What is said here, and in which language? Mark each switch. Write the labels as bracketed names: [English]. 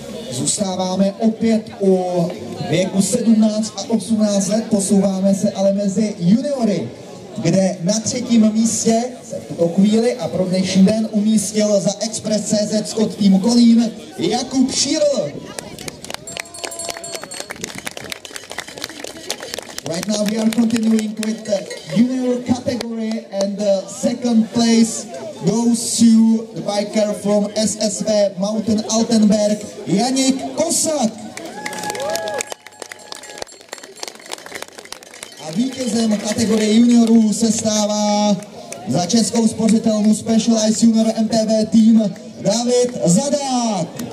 [Czech] Zůstáváme opět u věku 17 a 18 let, posouváme se ale mezi juniory, kde na třetím místě se v tuto chvíli a pro dnešní den umístil za Express.cz Scott tým Kolín Jakub Šírl. [English] Right now we are continuing with the junior category and the second place goes to the biker from SSV Mountain Altenberg, Janik Kosák. [Czech] A vítězem kategorie juniorů se stává za českou spořitelnu Specialized Junior MTB tým David Zadák.